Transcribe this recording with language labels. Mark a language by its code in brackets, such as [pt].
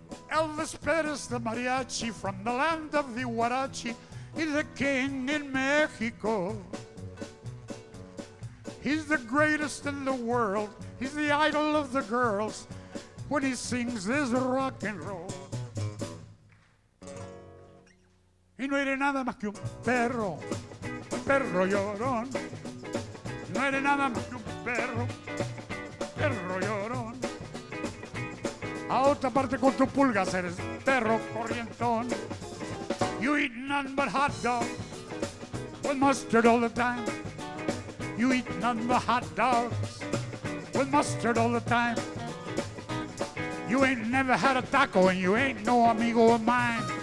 [en] Elvis Perez, the mariachi from the land of the huarachi, he's the king in Mexico. He's the greatest in the world. He's the idol of the girls when he sings his rock and roll. [es] Y no eres nada más que un perro llorón. No eres nada más que un perro llorón. A otra parte con tu pulga eres perro corrientón. [en] You eat none but hot dog with mustard all the time. You eat none but hot dogs with mustard all the time. You ain't never had a taco and you ain't no amigo of mine.